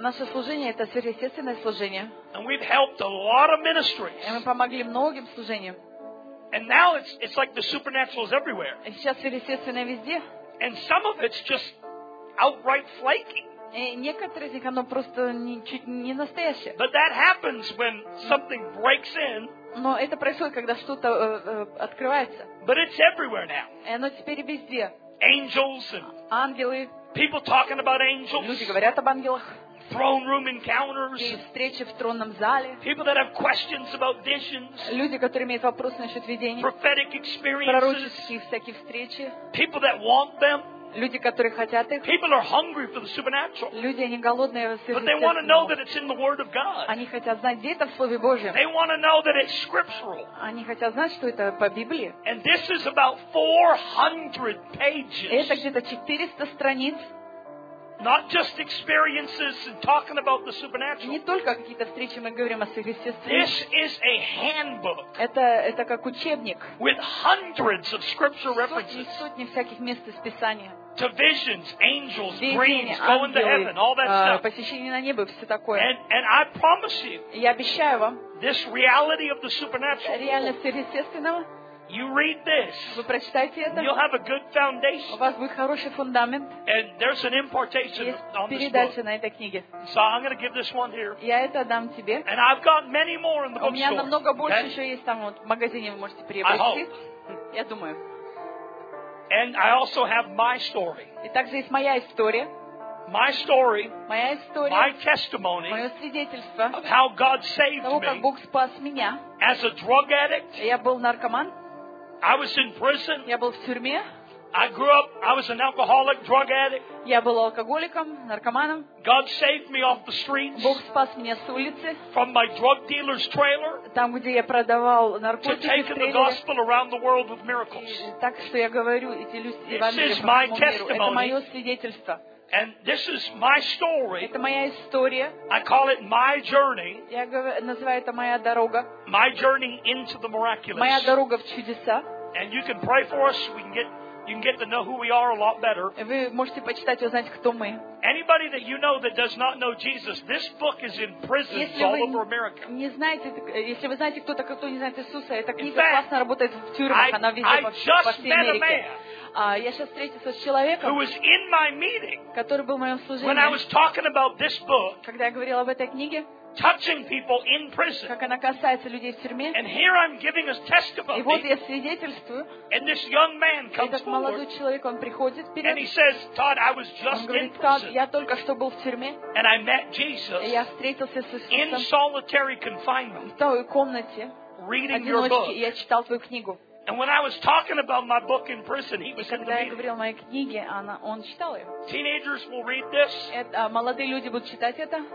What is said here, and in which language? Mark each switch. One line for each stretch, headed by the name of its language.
Russian: Наше служение это сверхъестественное служение.
English: And we've helped a lot of ministries.
Russian: И мы помогли многим служениям.
English: And now it's like the supernatural is everywhere.
Russian: И сейчас сверхъестественное везде.
English: And some of it's just outright flaky.
Russian: Некоторые из них, оно просто не настоящее.
English: But that happens when something breaks in.
Russian: Но это происходит, когда что-то открывается.
English: But it's everywhere now.
Russian: И оно теперь везде.
English: Angels and
Russian: ангелы.
English: People talking about angels.
Russian: Люди говорят об ангелах.
English: Throne room encounters.
Russian: И встречи в тронном зале.
English: People that have questions about visions.
Russian: Люди, которые имеют вопросы насчет видений.
English: Prophetic experiences.
Russian: Пророческие всякие встречи.
English: People that want them.
Russian: Люди, которые хотят их.
English: People are hungry for the supernatural.
Russian: Люди, они голодные.
English: But they want to know that it's in the Word of God.
Russian: Они хотят знать, где это в Слове Божьем.
English: They want to know that it's scriptural.
Russian: Они хотят знать, что это по Библии.
English: And this is about 400 pages.
Russian: Это где-то 400 страниц.
English: Not just experiences and talking about the supernatural.
Russian: Не только какие-то встречи мы говорим о сверхъестественном.
English: This is a handbook.
Russian: Это как учебник.
English: With hundreds of scripture references.
Russian: Сотни всяких мест из Писания.
English: To visions, angels, dreams, going to heaven, all that stuff.
Russian: Посещение на небо, все такое.
English: And I promise you.
Russian: Я обещаю вам.
English: This reality of the supernatural.
Russian: Реальность сверхъестественного.
English: You read this.
Russian: Вы прочитайте это.
English: You'll have a good foundation.
Russian: У вас будет хороший фундамент.
English: And there's an impartation on this book.
Russian: Передача на этой книге.
English: So I'm going to give this one here.
Russian: Я это дам тебе.
English: And I've got many more in the bookstore.
Russian: У меня намного больше еще есть там вот в магазине вы можете приобрести.
English: I hope.
Russian: Я думаю.
English: And I also have my story.
Russian: И также есть моя история.
English: My story.
Russian: Моя история.
English: My testimony.
Russian: Мое свидетельство.
English: Of how God saved
Russian: того, как Бог спас меня.
English: As a drug addict.
Russian: Я был наркоман.
English: I was in prison.
Russian: Я был в тюрьме.
English: I grew up. I was an alcoholic, drug addict.
Russian: Я был алкоголиком, наркоманом.
English: God saved me off the streets.
Russian: Бог спас меня с улицы.
English: From my drug dealer's trailer.
Russian: Там, где я продавал наркотики.
English: To take the gospel around the world with miracles.
Russian: Так что я говорю эти люди вам.
English: This is my testimony.
Russian: Это мое свидетельство.
English: And this is my story.
Russian: Это моя история.
English: I call it my journey.
Russian: Я называю это моя дорога.
English: My journey into the miraculous.
Russian: Моя дорога в чудеса.
English: And you can pray for us. You can get to know who we are a lot better.
Russian: Вы можете почитать, узнать, кто мы.
English: Anybody that you know that does not know Jesus, this book is in prisons all over America.
Russian: Не знаете, если вы знаете кто-то, кто не знает Иисуса, эта книга классно работает в тюрьмах, она везде по всей Америке. Я сейчас встретился с человеком,
English: meeting,
Russian: который был в моем служении, когда я говорил об этой книге, как она касается людей в тюрьме. И вот я свидетельствую, и этот молодой человек, он приходит вперед,
English: says,
Russian: он говорит, Тодд, я только что был в тюрьме, и я встретился с Иисусом в той комнате, в одиночке, и я читал твою книгу.
English: And when I was talking about my book in prison, he was in the meeting.
Russian: Когда я говорил о моей книге, он читал ее.
English: Teenagers will read this.
Russian: Молодые люди будут читать это.